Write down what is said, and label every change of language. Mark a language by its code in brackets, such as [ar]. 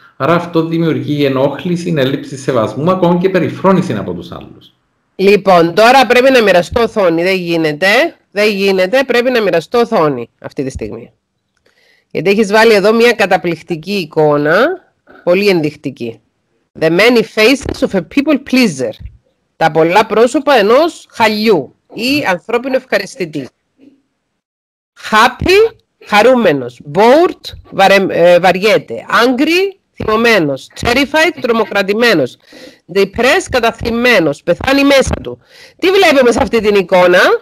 [el] Άρα αυτό δημιουργεί ενόχληση, έλλειψη σεβασμού, ακόμη και περιφρόνηση από τους άλλους. Λοιπόν, τώρα πρέπει να μοιραστώ οθόνη, δεν γίνεται. Δεν γίνεται, πρέπει να μοιραστώ οθόνη αυτή τη στιγμή. Γιατί έχεις βάλει εδώ μια καταπληκτική εικόνα, πολύ ενδεικτική. [en] The many faces of a people pleaser. [el] Τα πολλά πρόσωπα ενός χαλιού ή ανθρώπινου ευχαριστητή. Happy, χαρούμενος. Bored, βαριέται. Angry, θυμωμένος. Terrified, τρομοκρατημένος. Depressed, καταθλιμμένος. Πεθάνει μέσα του. Τι βλέπουμε σε αυτή την εικόνα?